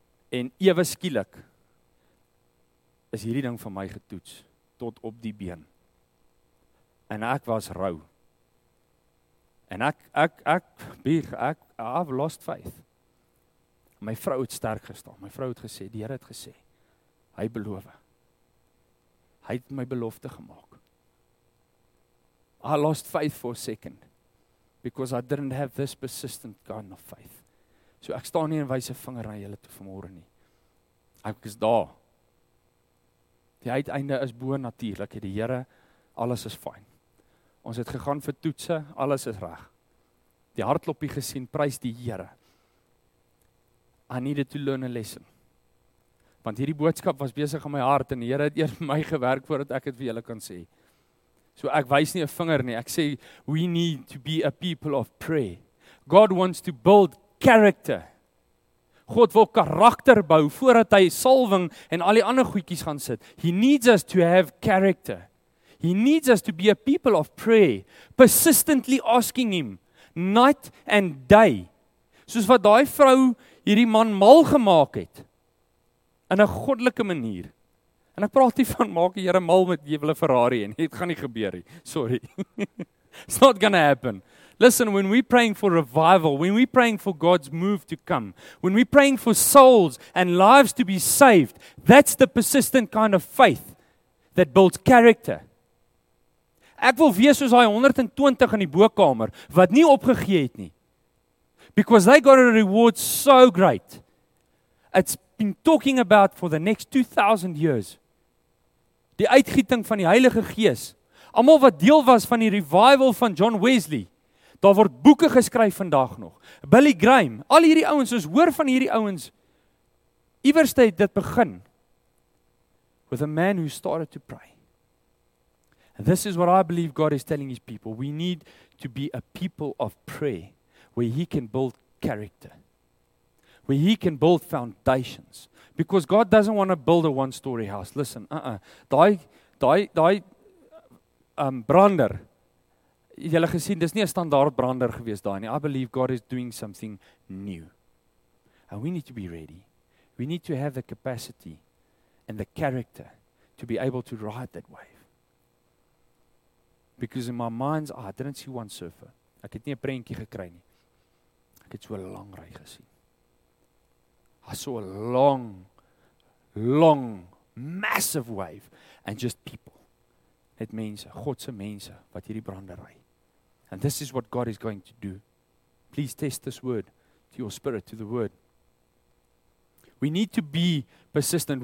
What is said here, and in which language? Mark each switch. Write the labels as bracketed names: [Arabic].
[Afrikaans] En ewe skielik, is hierdie ding van my getoets, tot op die been. En ek was rou. En ek [English] I've lost faith. [Afrikaans] My vrou het sterk gestaan. My vrou het gesê, die Here het gesê, hy beloof. Hy het my belofte gemaak. [English] I lost faith for a second. Because I didn't have this persistent kind of faith. [Afrikaans] So ek staan nie en wys 'n vinger na julle toe vanmôre nie. Ek is daar. Die uiteinde is bo natuurlik. Die Here, alles is fyn. Ons het gegaan vir toetse, alles is reg. Die hartklopie gesien, prys die Here. [English] I needed to learn a lesson. [Afrikaans] Want hierdie boodskap was besig in my hart en die Here het eers my gewerk voordat ek dit vir julle kan sê. So ek wys nie 'n vinger nie. Ek sê [English] we need to be a people of prayer. God wants to build character. [Afrikaans] God wil karakter bou voordat hy salwing en al die ander goedjies gaan sit. [English] He needs us to have character. He needs us to be a people of prayer, persistently asking him night and day. [Afrikaans] Soos wat daai vrou hierdie man mal gemaak het in 'n goddelike manier. En ek praat nie van maak die Here mal met jy wil 'n Ferrari en dit gaan nie gebeur nie. [English] Sorry. It's not going to happen. Listen, when we're praying for revival, when we're praying for God's move to come, when we're praying for souls and lives to be saved, that's the persistent kind of faith that builds character. [Afrikaans] Ek wil wees soos daai 120 in die bokamer wat nie opgegee het nie. [English] Because they got a reward so great. It's been talking about for the next 2000 years. [Afrikaans] Die uitgieting van die Heilige Gees. Almal wat deel was van die revival van John Wesley. Daar word boeke geskryf vandag nog. Billy Graham, al hierdie ouens, ons hoor van hierdie ouens. Iewers het dit begin. [English] With a man who started to pray. And this is what I believe God is telling his people. We need to be a people of prayer where he can build character. Where he can build foundations. Because God doesn't want to build a one-story house. Listen, [Afrikaans] brander, julle gesien, dis nie 'n standaard brander gewees daai nie. [English] I believe God is doing something new. And we need to be ready. We need to have the capacity and the character to be able to ride that wave. Because in my mind's eye, I didn't see one surfer. [Afrikaans] Ek het nie 'n prentjie gekry nie. Ek het so 'n lang ry gesien. [English] I saw a long, long, massive wave and just people. [Afrikaans] Net mense, God se mense wat hierdie brandery. [English] And this is what God is going to do. Please test this word to your spirit, to the word. We need to be persistent.